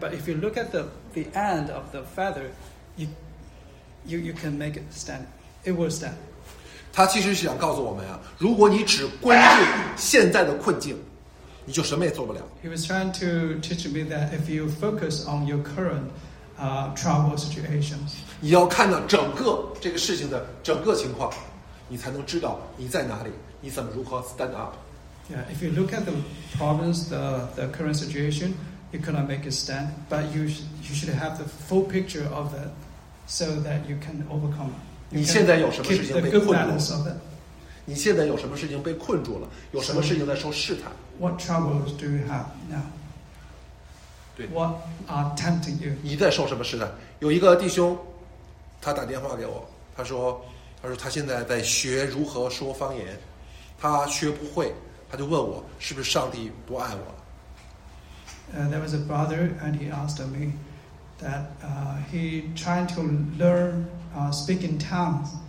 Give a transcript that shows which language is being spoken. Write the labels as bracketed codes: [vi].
[en] But if you look at the end of the feather, you can make it stand. It will stand. [zh] 他其实是想告诉我们啊，如果你只关注现在的困境。你就什么也做不了。 [en] He was trying to teach me that if you focus on your current trouble situations, [zh] 你要看到整个这个事情的整个情况，你才能知道你在哪里，你怎么如何 [en] stand up. Yeah, if you look at the problems, the current situation, you cannot make it stand, but you should have the full picture of it so that you can overcome. [zh] 你现在有什么事情被困住？你现在有什么事情被困住了？有什么事情在受试探？ [en] What troubles do you have now? [zh] 对。 [en] What are tempting you? [zh] 你在受什么试探？有一个弟兄，他打电话给我，他说他现在在学如何说方言，他学不会，他就问我是不是上帝不爱我了。 [en] There was a brother and he asked me that he trying to learn speaking tongues.